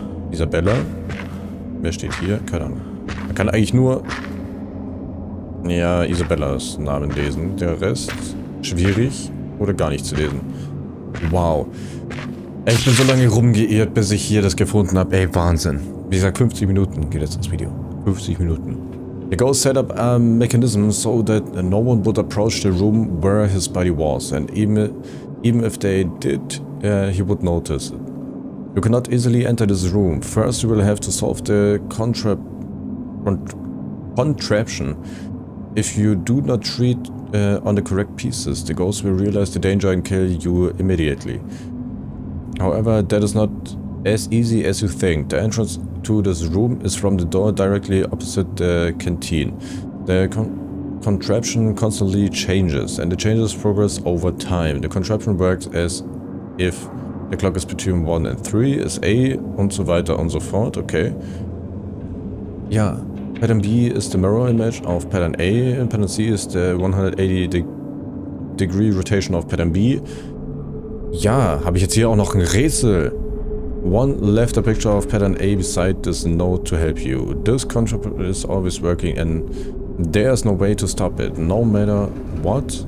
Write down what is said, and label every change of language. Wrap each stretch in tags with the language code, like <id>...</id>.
<de>Isabella. Wer steht hier? Keine Ahnung. Man kann eigentlich nur... Ja, Isabellas Namen lesen. Der Rest... Schwierig oder gar nicht zu lesen. Wow. Ich bin so lange rumgeirrt, bis ich hier das gefunden habe. Ey, Wahnsinn. Wie gesagt, 50 Minuten geht jetzt das Video. 50 Minuten.</de> <en>The ghost set up a mechanism so that no one would approach the room where his body was. And even if they did, he would notice it. You cannot easily enter this room. First you will have to solve the contraption. If you do not treat on the correct pieces, the ghost will realize the danger and kill you immediately. However, that is not as easy as you think. The entrance to this room is from the door directly opposite the canteen. The contraption constantly changes, and the changes progress over time. The contraption works as if the clock is between 1 and 3, is A,</en> <de>und so weiter und so fort,</de> <en>okay. Yeah. Pattern B is the mirror image of pattern A, and pattern C is the 180-degree rotation of pattern B.</en> <de>Ja, habe ich jetzt hier auch noch ein Rätsel.</de> <en>One left a picture of pattern A beside this note to help you. This contraption is always working and there is no way to stop it, no matter what.</en>